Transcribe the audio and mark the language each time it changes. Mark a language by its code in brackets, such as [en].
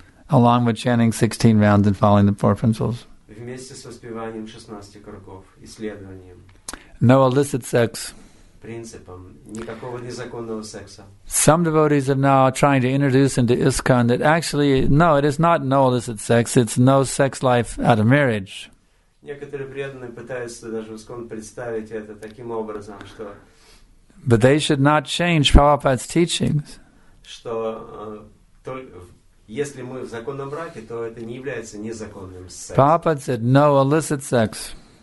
[en] Along with chanting 16 rounds and following the four principles. [ru] Вместе с воспеванием 16 кругов, исследованием. [en] No illicit sex. [ru] Принципом никакого незаконного секса. [en] Some devotees are now trying to introduce into ISKCON that actually, no, it is not no illicit sex, it's no sex life out of marriage. [ru] Некоторые преданные пытаются даже в ISKCON представить это таким образом, что... [en] But they should not change Prabhupada's teachings. [ru] Что если мы в законном браке, то это не является незаконным сексом. [en] Prabhupada said no illicit sex.